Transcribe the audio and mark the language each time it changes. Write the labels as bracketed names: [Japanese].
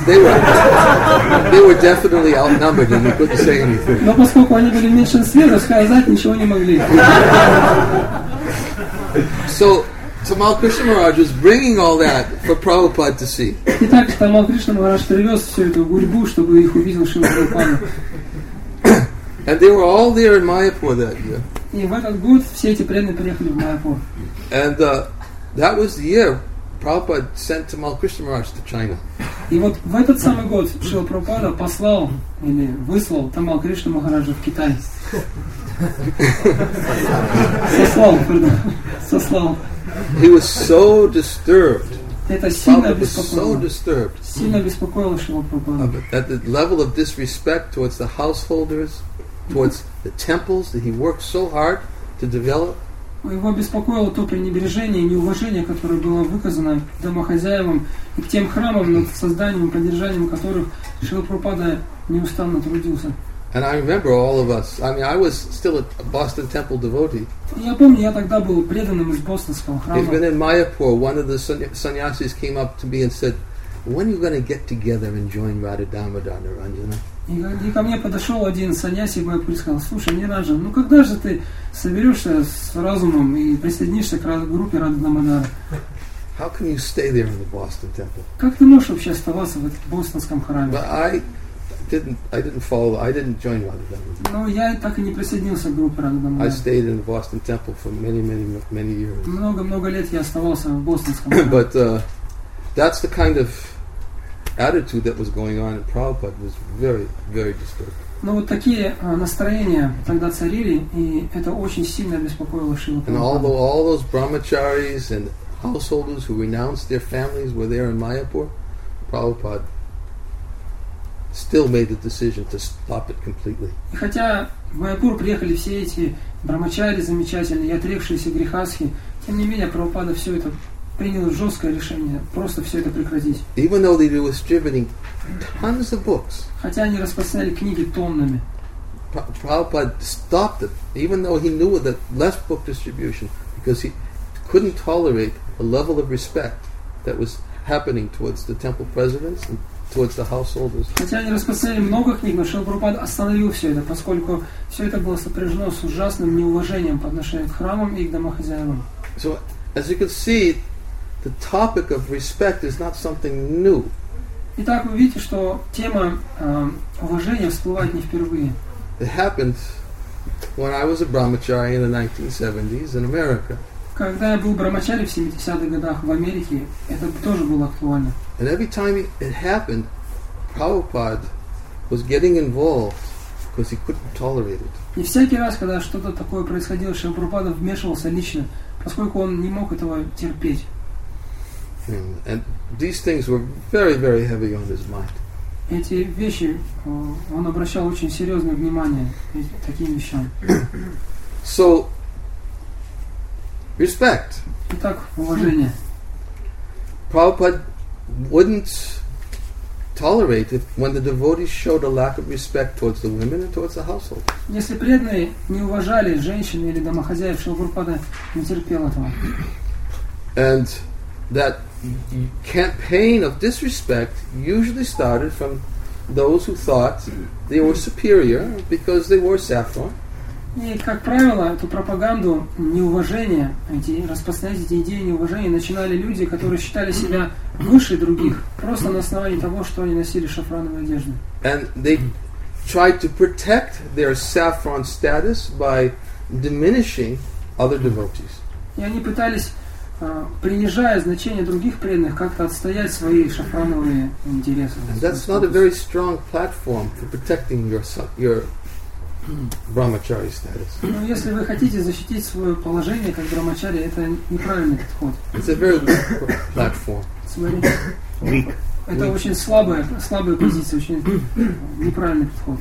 [English] They were definitely outnumbered and they couldn't say anything. [Russian] Но поскольку они были в меньшинстве, то сказать ничего не могли. [English] So Tamal Krishna Maharaj was bringing all that for Prabhupada to see. [Russian] Итак, Тамал Кришна Махарадж привез всю эту гурьбу, чтобы их увидел Шрила Прабхупада. [English] And they were all there in Mayapur that year. [Russian] И в этот год все эти преданные приехали в Майяпур. [English] And that was the year Prabhupada sent Tamal Krishna Maharaj to China. [Russian] И вот в этот самый год Шрила Прабхупада послал или выслал Тамал Кришна Махараджа в Китай. Сослал. [English] He was so disturbed. [Russian] Это сильно беспокоило. [English] So disturbed. [Russian] Сильно беспокоило Шрила Прабхупада. [English] At the level of disrespect towards the householders, towards the temples that he worked so hard to develop. [Russian] Его беспокоило то пренебрежение и неуважение, которое было выказано домохозяевам и к тем храмам, над созданием и поддержанием которых Шрила Прабхупада неустанно трудился. [English] And I remember all of us. I mean, I was still a Boston Temple devotee. [Russian] Я помню, я тогда был преданным из бостонского храма. [English] Even in Mayapur, one of the sannyasis came up to me and said, "When are you going to get together and join Radha Damodar Naranjana?" [Russian] И ко мне подошел один саньяси Майяпур и сказал, слушай, Ниранджа, ну когда же ты соберешься с разумом и присоединишься к группе Радха Дамодара? [English] How can you stay there in the Boston Temple? [Russian] Как ты можешь вообще оставаться в этом бостонском храме? [English] But I didn't join Radha Dhamma. [Russian] Ну, я так и не присоединился к группе Радха Дамодара. [English] I stayed in the Boston Temple for many years. [Russian] Много лет я оставался в бостонском храме. [English] But that's the kind of attitude that was going on at Prabhupada was very, very disturbed. [Russian] Но вот такие настроения тогда царили, и это очень сильно беспокоило Шрилу Прабхупаду. [English] And all those brahmacharis and householders who renounced their families were there in Mayapur, Prabhupada still made the decision to stop it completely. [Russian] И хотя в Майяпур приехали все эти брахмачари замечательные, и отрекшиеся грехасхи, тем не менее Прабхупада все это принял жесткое решение просто все это прекратить. [English] Even though they were distributing tons of books, [Russian] хотя они распространяли книги тоннами, [English] Prabhupada stopped it, even though he knew that less book distribution, because he couldn't tolerate a level of respect that was happening towards the temple presidents and towards the householders. [Russian] Хотя они распространяли много книг, но Шрила Прабхупада остановил все это, поскольку все это было сопряжено с ужасным неуважением по отношению к храмам и к домохозяевам. [English] So, as you can see, the topic of respect is not something new. [Russian] Итак, вы видите, что тема уважения всплывает не впервые. [English] It happened when I was a brahmachari in the 1970s in America. [Russian] Когда я был брахмачари в 70-х годах в Америке, это тоже было актуально. [English] And every time it happened, Prabhupada was getting involved because he couldn't tolerate it. [Russian] И всякий раз, когда что-то такое происходило, Шрила Прабхупада вмешивался лично, поскольку он не мог этого терпеть. [English] And these things were very, very heavy on his mind. [Russian] Эти вещи он обращал очень серьезное внимание таким вещам. [English] So, respect. [Russian] Итак, уважение. [English] Prabhupada wouldn't tolerate it when the devotees showed a lack of respect towards the women and towards the household. [Russian] Если преданные не уважали женщин или домохозяев, Шрила Прабхупада не терпел этого. [English] And that campaign of disrespect usually started from those who thought they were superior because they wore saffron. [Russian] И, как правило, эту пропаганду неуважения, эти распространять эти идеи неуважения начинали люди, которые считали себя выше других, просто на основании того, что они носили шафрановые одежды. [English] And they tried to protect their saffron status by diminishing other devotees. [Russian] И они пытались, принижая значение других преданных, как-то отстоять свои шафрановые интересы. [English] And that's not a very strong platform for protecting your brahmachari status. [Russian] Ну, если вы хотите защитить свое положение как брахмачари, это неправильный подход. [English] It's a very weak platform. [Russian] Это очень слабая позиция, очень неправильный подход.